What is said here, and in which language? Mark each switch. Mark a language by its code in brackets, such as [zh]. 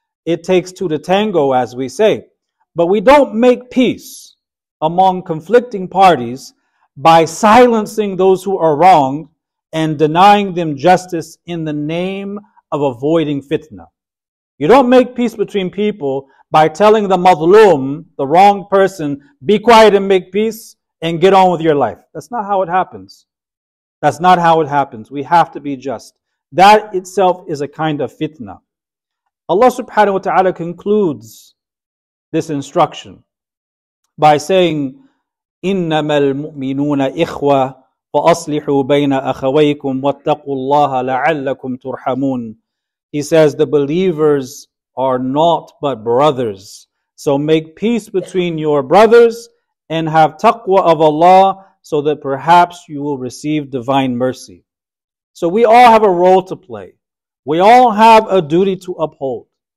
[en] It takes two to tango, as we say. But we don't make peace among conflicting parties by silencing those who are wrong and denying them justice in the name of avoiding fitna. You don't make peace between people by telling the mazlum, the wrong person, be quiet and make peace and get on with your life. That's not how it happens. We have to be just. That itself is a kind of fitna. Allah subhanahu wa ta'ala concludes this instruction by saying, [ar] إِنَّمَا الْمُؤْمِنُونَ إِخْوَةً فَأَصْلِحُوا بَيْنَ أَخَوَيْكُمْ وَاتَّقُوا اللَّهَ لَعَلَّكُمْ تُرْحَمُونَ. [en] He says, the believers are not but brothers. So make peace between your brothers and have taqwa of Allah so that perhaps you will receive divine mercy. So we all have a role to play. We all have a duty to uphold.